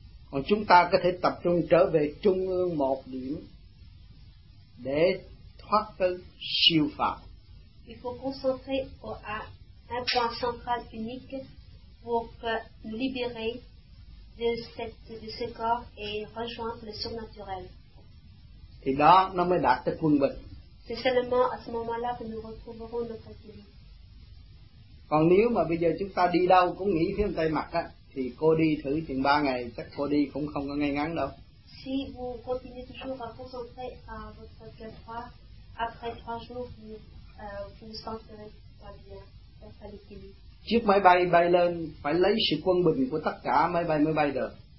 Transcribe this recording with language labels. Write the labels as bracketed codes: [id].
[vi] Còn chúng ta có thể tập trung trở về trung ương một điểm để thoát tới siêu phàm. [fr] Il faut concentrer à un point central unique pour nous libérer de ce corps et rejoindre le surnaturel. [vi] Thì đó nó mới đạt tới quân bình. [fr] C'est seulement à ce moment-là que nous retrouverons notre équilibre. [vi] Còn nếu mà bây giờ chúng ta đi đâu cũng nghĩ phía tay mặt á, thì cô đi thử chừng 3 ngày chắc cô đi cũng không có ngay ngắn đâu. [fr] Si vous continuez toujours à concentrer à votre cœur droit, après 3 jours vous vous sentirez pas bien, pas à l'équilibre. [vi] Chiếc máy bay bay lên phải lấy sự quân bình của tất cả máy bay mới bay được.